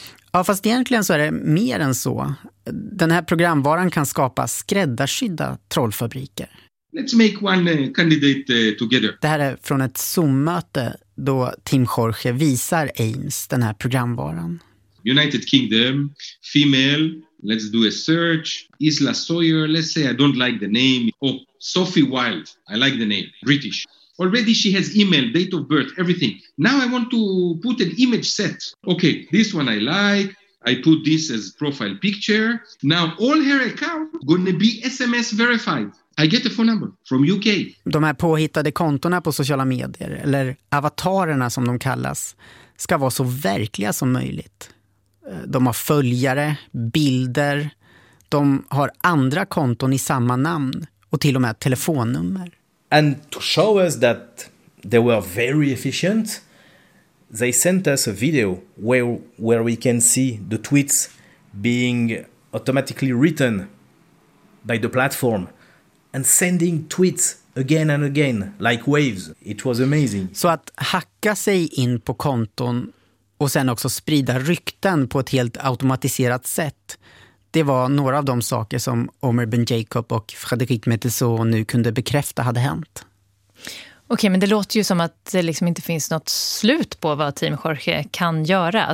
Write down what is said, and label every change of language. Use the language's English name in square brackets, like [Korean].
[Swedish] Ja, fast egentligen så är det mer än så. Den här programvaran kan skapa skräddarsydda trollfabriker. [English] Let's make one candidate together. [Swedish] Det här är från ett Zoom-möte då Tim Jorge visar Ames den här programvaran. [English] United Kingdom, female. Let's do a search. Isla Sawyer, let's say I don't like the name. Oh, Sophie Wilde, I like the name, British. Already she has email, date of birth, everything. Now I want to put an image set. Okay, this one I like. I put this as profile picture. Now all her account gonna be SMS verified. I get a phone number from UK. [Swedish] De här påhittade kontorna på sociala medier, eller avatarerna som de kallas, ska vara så verkliga som möjligt. De har följare, bilder, de har andra konton i samma namn och till och med telefonnummer. [English] And to show us that they were very efficient, they sent us a video where we can see the tweets being automatically written by the platform and sending tweets again and again, like waves. It was amazing. [Swedish] Så att hacka sig in på konton och sen också sprida rykten på ett helt automatiserat sätt. Det var några av de saker som Omer Ben Jacob och Frederic Metteson nu kunde bekräfta hade hänt. Okej, men det låter ju som att det liksom inte finns något slut på vad Team Jorge kan göra.